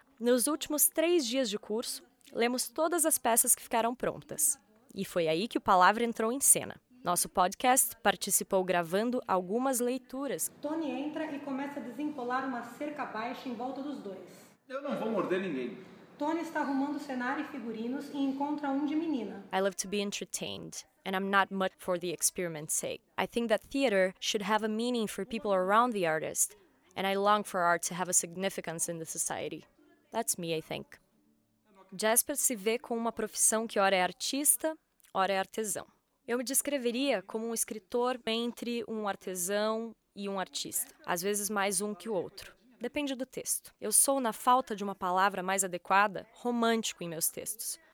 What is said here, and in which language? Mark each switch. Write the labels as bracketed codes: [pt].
[pt] Nos últimos 3 dias de curso, lemos todas as peças que ficaram prontas. E foi aí que o Palavra entrou em cena. Nosso podcast participou gravando algumas leituras. Tony entra e começa a desenrolar uma cerca baixa em volta dos dois. Eu não vou morder ninguém. Tony está arrumando cenário e figurinos e encontra de menina. [en] I love to be entertained, and I'm not much for the experiment's sake. I think that theater should have a meaning for people around the artist, and I long for art to have a significance in the society. That's me, I think. [pt] Jasper se vê com uma profissão que ora é artista, ora é artesão. Eu me descreveria como um escritor entre um artesão e um artista, às vezes mais um que o outro. Depende do texto. Eu sou, na falta de uma palavra mais adequada, romântico em meus textos.